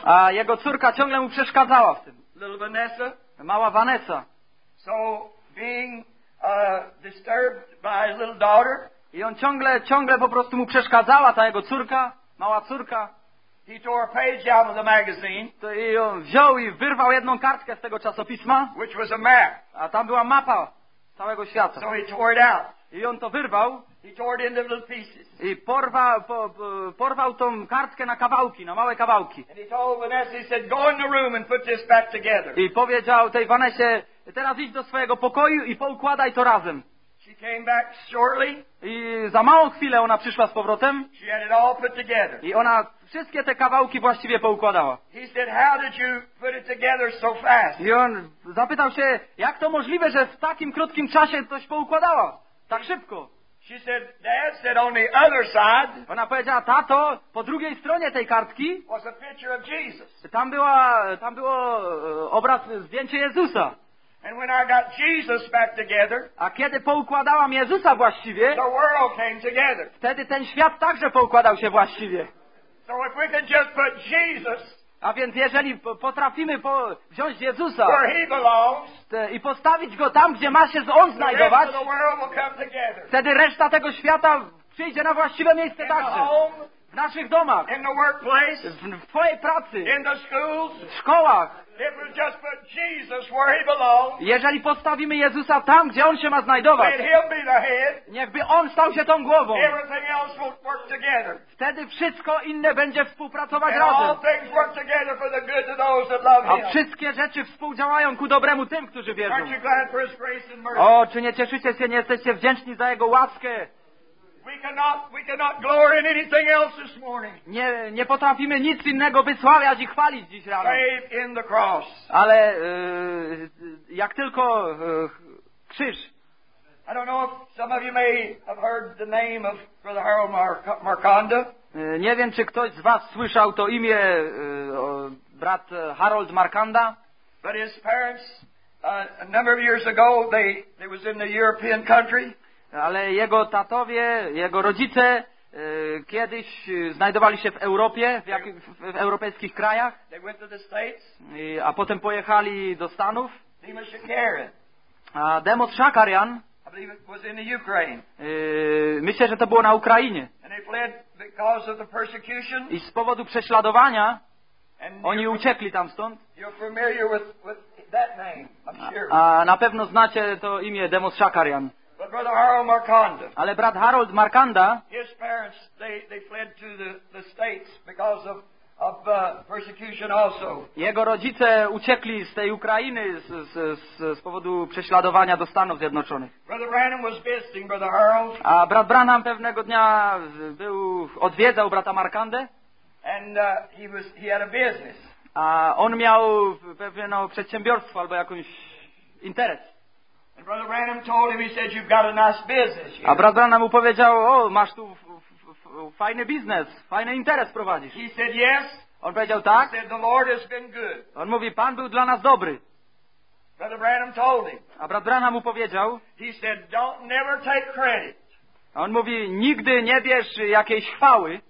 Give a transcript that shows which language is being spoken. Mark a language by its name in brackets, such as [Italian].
[Polish] A jego córka ciągle mu przeszkadzała w tym. [English] Little Vanessa. [Polish] Mała Vanessa. [English] So being disturbed by his little daughter. [Polish] I on ciągle po prostu mu przeszkadzała ta jego córka, mała córka. [English] He tore a page out of the magazine. [Polish] To i on wziął i wyrwał jedną kartkę z tego czasopisma. [English] Which was a map. [Polish] A tam była mapa całego świata. [English] So he tore it out. [Polish] I on to wyrwał. [English] He tore it into little pieces. [Polish] I porwał tą kartkę na kawałki, na małe kawałki. [English] And he told Vanessa, he said, go in the room and put this back together. [Polish] I powiedział tej Vanessie, teraz idź do swojego pokoju i poukładaj to razem. [English] She came back shortly. [Polish] I za małą chwilę ona przyszła z powrotem. [English] She had it all put together. [Polish] I ona wszystkie te kawałki właściwie poukładała. [English] He said, how did you put it together so fast? [Polish] I on zapytał się, jak to możliwe, że w takim krótkim czasie coś poukładała tak szybko. [English] She said, Dad said on the other side. [Polish] Ona powiedziała, tato, po drugiej stronie tej kartki. [English] Was a picture of Jesus. [Polish] Tam było obraz, zdjęcie Jezusa. [English] And when I got Jesus back together, [Polish] a kiedy poukładałam Jezusa właściwie, [English] the world came together. [Polish] Wtedy ten świat także poukładał się właściwie. [English] So if we can just put Jesus, [Polish] a więc jeżeli potrafimy wziąć Jezusa [English] where he belongs, [Polish] i postawić Go tam, gdzie ma się On znajdować, [English] the rest of the world will come together. [Polish] Wtedy reszta tego świata przyjdzie na właściwe miejsce [English] in [Polish] także. [English] The home, [Polish] w naszych domach, [English] in the workplace, [Polish] w Twojej pracy, [English] in the schools, [Polish] w szkołach. [English] If we just put Jesus where he belongs, [Polish] jeżeli postawimy Jezusa tam, gdzie On się ma znajdować, [English] let him be the head, [Polish] niechby On stał się tą głową, [English] everything else will work together. [Polish] Wtedy wszystko inne będzie współpracować [English] and [Polish] razem. [English] All things work together for the good of those that love him. [Polish] A wszystkie rzeczy współdziałają ku dobremu tym, którzy wierzą. [English] Aren't you glad for his grace and mercy? [Polish] O, czy nie cieszycie się, nie jesteście wdzięczni za Jego łaskę? [English] We cannot glory in anything else this morning. [Polish] Nie potrafimy nic innego wysławiać i chwalić dziś rano. [English] Save in the cross. [Polish] Ale jak tylko krzyż. [English] I don't know if some of you may have heard the name of Brother Harold Markanda. [Polish] Nie wiem, czy ktoś z was słyszał to imię brat Harold Markanda. [English] But his parents a number of years ago they was in the European country. [Polish] Ale jego tatowie, jego rodzice kiedyś znajdowali się w Europie, w europejskich krajach. [English] They went to the States. [Polish] A potem pojechali do Stanów. [English] Demos Shakarian. [Polish] A Demos Shakarian, [English] I believe it was in the Ukraine. [Polish] Myślę, że to było na Ukrainie. [English] And they fled because of the persecution. [Polish] I z powodu prześladowania oni uciekli tam stąd. [English] You're familiar with that name, I'm sure. [Polish] A na pewno znacie to imię Demos Shakarian. [English] But Brother Harold Markanda, [Polish] ale brat Harold Markanda, [English] his parents they fled to the States because of persecution also. [Polish] Jego rodzice uciekli z tej Ukrainy z powodu prześladowania do Stanów Zjednoczonych. [English] Brother Branham was visiting Brother Harold. [Polish] A brat Branham pewnego dnia odwiedzał brata Markandę. [English] And he had a business. [Polish] A on miał pewne przedsiębiorstwo albo jakąś interes. [English] And Brother Branham told him, he said, "You've got a nice business here." [Polish] A brat Branham mu powiedział, o, masz tu fajny biznes, fajny interes prowadzisz. [English] He said, "Yes." [Polish] On powiedział, tak. [English] He said, "The Lord has been good." [Polish] On mówi, Pan był dla nas dobry. [English] Brother Branham told him. [Polish] A brat Branham mu powiedział, [English] he said, "Don't never take credit." [Polish] On mówi, nigdy nie bierz jakiejś chwały.